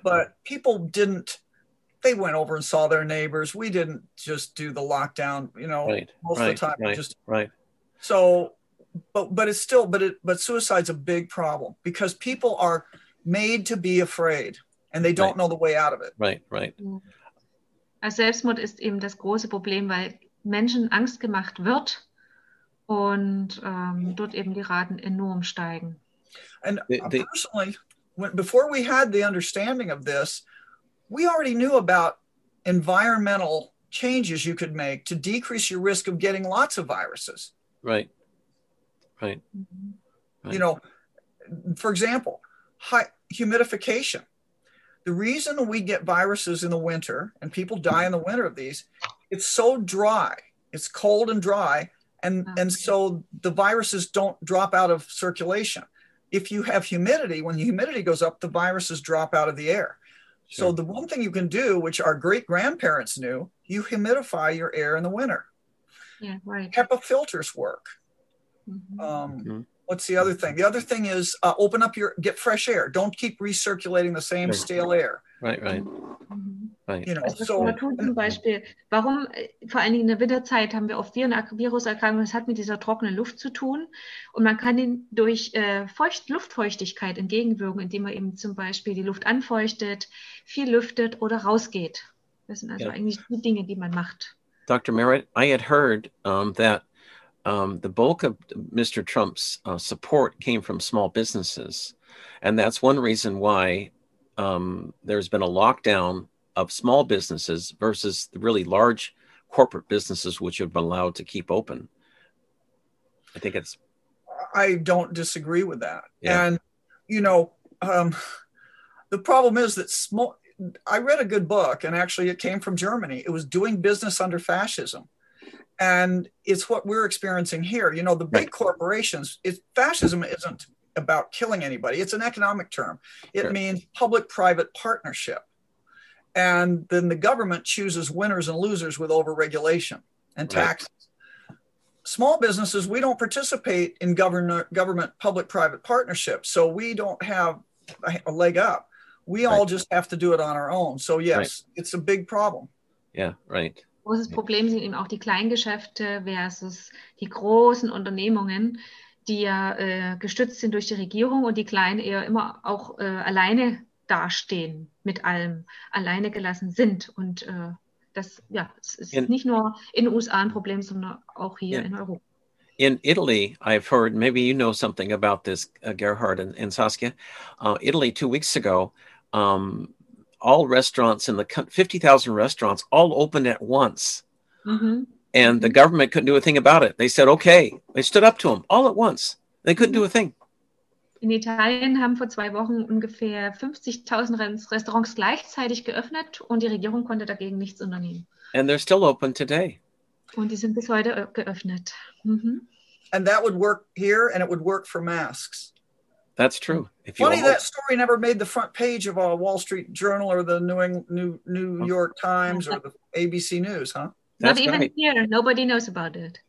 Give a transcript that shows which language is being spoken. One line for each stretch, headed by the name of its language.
English: But people didn't, they went over and saw their neighbors. We didn't just do the lockdown, you know, most of the time. So, but suicide's a big problem because people are made to be afraid. And they don't know the way out of it. Right.
German: Selbstmord ist eben das große Problem, weil Menschen Angst gemacht wird und dort eben die Raten enorm steigen.
English: And personally, before we had the understanding of this, we already knew about environmental changes you could make to decrease your risk of getting lots of viruses. Right. You know, for example, humidification. The reason we get viruses in the winter and people die in the winter of these, it's so dry. It's cold and dry. And so the viruses don't drop out of circulation. If you have humidity, when the humidity goes up, the viruses drop out of the air. Sure. So the one thing you can do, which our great grandparents knew, you humidify your air in the winter. Yeah, right. HEPA filters work. What's the other thing? The other thing is open up your, get fresh air. Don't keep recirculating the same stale air. Right. You know,
German: zum Beispiel, warum vor allen Dingen in der Winterzeit haben wir oft Viruserkrankungen, das hat mit dieser trockenen Luft zu tun. Und man kann ihn durch Luftfeuchtigkeit entgegenwirken, indem man eben zum Beispiel die Luft anfeuchtet, viel lüftet oder rausgeht. Das sind also eigentlich die Dinge, die man macht.
English: Dr. Merritt, I had heard that the bulk of Mr. Trump's support came from small businesses. And that's one reason why there's been a lockdown of small businesses versus the really large corporate businesses, which have been allowed to keep open. I don't disagree with that. Yeah. And, you know, the problem is that I read a good book, and actually it came from Germany. It was Doing Business Under Fascism. And it's what we're experiencing here. You know, the big corporations, fascism isn't about killing anybody. It's an economic term. It means public-private partnership. And then the government chooses winners and losers with overregulation and taxes. Small businesses, we don't participate in government public-private partnership. So we don't have a leg up. We all just have to do it on our own. So yes, it's a big problem. Yeah, right.
German: Großes Problem sind eben auch die Kleingeschäfte versus die großen Unternehmungen, die ja gestützt sind durch die Regierung und die Kleinen eher immer auch alleine dastehen mit allem, alleine gelassen sind. Und das ja, es ist nicht nur in den USA ein Problem, sondern auch hier in Europa.
English: In Italy, I've heard, maybe you know something about this, Gerhard and Saskia. Italy, 2 weeks ago, all restaurants in the 50,000 restaurants all opened at once. And the government couldn't do a thing about it. They said, okay. They stood up to them all at once. They couldn't do a thing.
German: In Italien haben vor 2 Wochen ungefähr 50,000 Restaurants gleichzeitig geöffnet und die Regierung konnte dagegen nichts unternehmen.
English: And they're still open today.
German: Und die sind bis heute geöffnet.
English: And that would work here and it would work for masks. That's true. If you Funny that story never made the front page of a Wall Street Journal or the New York Times or the ABC News, huh? That's not even here. Nobody knows about it.